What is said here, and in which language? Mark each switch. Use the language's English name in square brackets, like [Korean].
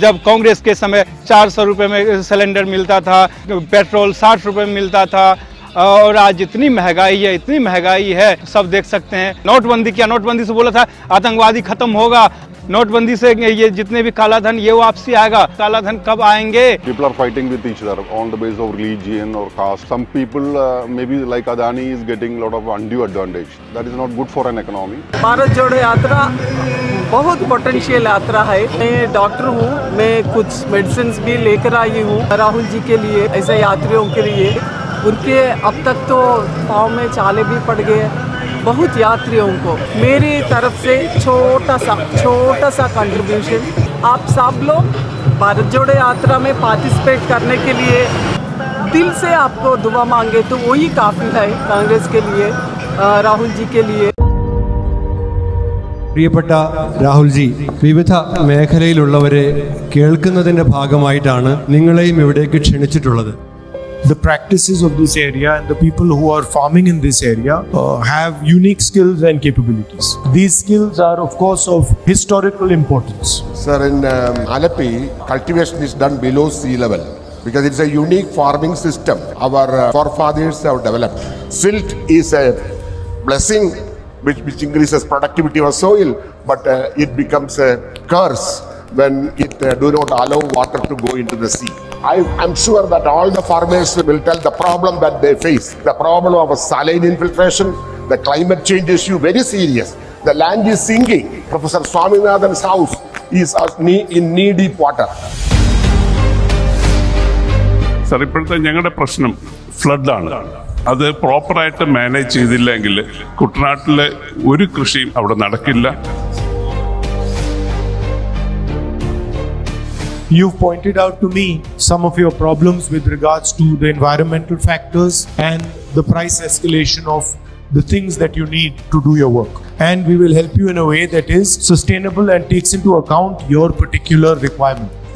[Hindi] जब कांग्रेस के समय 400 रुपये में सिलेंडर मिलता था, पेट्रोल 60 रुपये में मिलता था, और आज इतनी महंगाई है, इतनी महंगाई है सब देख सकते हैं। नोटबंदी किया, नोटबंदी से बोला था आतंकवादी खत्म होगा, नोटबंदी से ये जितने भी काला धन ये वापसी आएगा, काला धन कब आएंगे? [English] People are fighting with each other on the basis of religion or caste. Some people maybe like Adani is getting lot of undue advantage. That is not good for an economy. [Hindi] Bharat जोड़ो यात्रा बहुत potential यात्रा है। मैं doctor हूँ, मैं कुछ medicine भी लेकर आई हूँ राहुल जी के लिए, ऐसे यात्रियों के लिए। उनके अब तक तो पाँव में चाले भी पड़ गए बहुत यात्रियों को। मेरी तरफ से छोटा सा कंट्रीब्यूशन, आप सब लोग भारत जोड़ो यात्रा में पार्टिसिपेट करने के लिए दिल से आपको दुआ मांगे तो वही काफ़ी है कांग्रेस के लिए, राहुल जी के लिए। [Malayalam] പ്രിയപ്പെട്ട രാഹുൽജി, വിവിധ മേഖലയിലുള്ളവരെ കേൾക്കുന്നതിൻ്റെ ഭാഗമായിട്ടാണ് നിങ്ങളെയും ഇവിടേക്ക് ക്ഷണിച്ചിട്ടുള്ളത്. [English] The practices of this area and the people who are farming in this area have unique skills and capabilities. These skills are of course of historical importance. Sir, in Alappi, cultivation is done below sea level because it's a unique farming system our forefathers have developed. Silt is a blessing which increases productivity of soil, but it becomes a curse when it do not allow water to go into the sea. I'm sure that all the farmers will tell the problem that they face, the problem of saline infiltration, the climate change issue, very serious. The land is sinking. Professor Swaminathan's house is in knee deep water. [Malayalam] Sir, ഇപ്പോഴത്തെ ഞങ്ങളുടെ പ്രശ്നം flood ആണ്. അത് proper ആയിട്ട് manage ചെയ്തില്ലെങ്കിൽ കുട്ടനാട്ടിലെ ഒരു കൃഷിയും അവിടെ നടക്കില്ല. [English] You've pointed out to me some of your problems with regards to the environmental factors and the price escalation of the things that you need to do your work. And we will help you in a way that is sustainable and takes into account your particular requirement.